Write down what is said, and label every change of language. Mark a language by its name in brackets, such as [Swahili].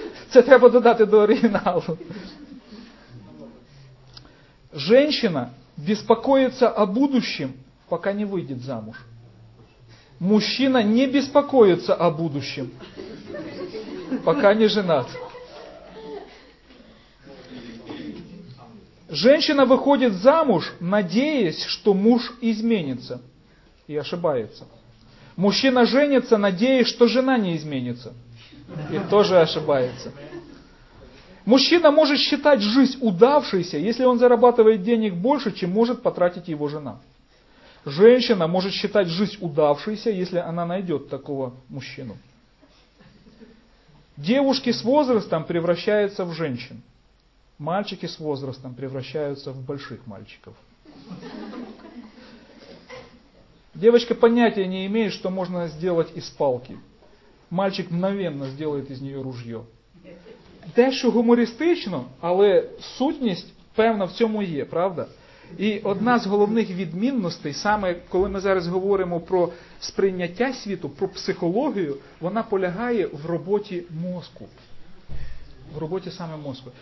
[Ukrainian] Це треба додати до оригіналу. [Russian] Женщина беспокоится о будущем, пока не выйдет замуж. Мужчина не беспокоится о будущем, пока не женат. Женщина выходит замуж, надеясь, что муж изменится. И ошибается. Мужчина женится, надеясь, что жена не изменится. И тоже ошибается. Мужчина может считать жизнь удавшейся, если он зарабатывает денег больше, чем может потратить его жена. Женщина может считать жизнь удавшейся, если она найдет такого мужчину. Девушки с возрастом превращаются в женщин. Мальчики с возрастом превращаются в больших мальчиков. Девочка понятия не имеет, что можно сделать из палки. Мальчик мгновенно сделает из нее ружье. [Ukrainian] Дещо гумористично, але сутність певна в цьому є, правда? І одна з головних відмінностей, саме коли ми зараз говоримо про сприйняття світу, про психологію, вона полягає в роботі мозку. в роботі саме мозку.